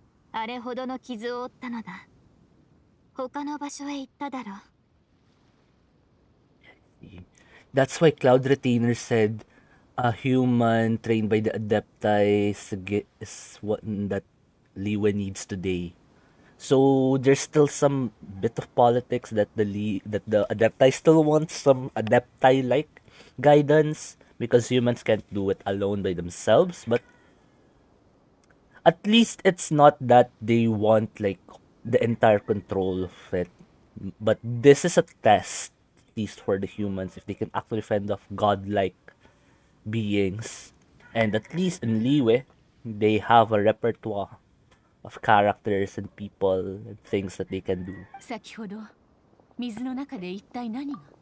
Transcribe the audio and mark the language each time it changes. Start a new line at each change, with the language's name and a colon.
Japanese: あれほどの傷を負ったのだ。他の場所へ行っただろう。
English: That's why Cloud Retainer said a human trained by the Adepti is what that Liyue needs today. So there's still some bit of politics that the Adepti still wants some Adepti-like guidance because humans can't do it alone by themselves, but. At least it's not that they want like the entire control of it, but this is a test, at least for the humans, if they can actually fend off godlike beings. And at least in Liyue, they have a repertoire of characters and people and things that they can do.
Japanese: 先ほど水の中で一体何が？